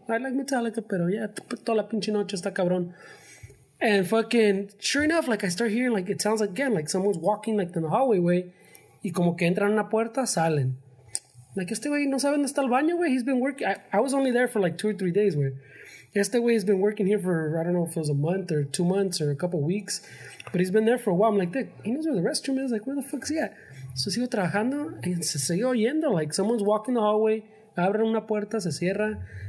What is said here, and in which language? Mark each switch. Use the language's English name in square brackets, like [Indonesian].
[English] I like Metallica, [Spanish] pero ya, toda la pinche noche está cabrón. [English] And fucking, sure enough, like, I start hearing, like, it sounds again, like, someone's walking, like, in the hallway, way. [Spanish] Y como que entran a una puerta, salen. Like, este güey no sabe dónde está el baño, güey. [English] He's been working. I was only there for, like, 2 or 3 days, güey. [Spanish] Este güey [English] has been working here for, I don't know if it was a month or 2 months or a couple weeks. But he's been there for a while. I'm like, he knows where the restroom is. Like, where the fuck's he at? So [Spanish] sigo trabajando y se sigue oyendo. [English] Like, someone's walking the hallway. [Spanish] Abre una puerta, se cierra.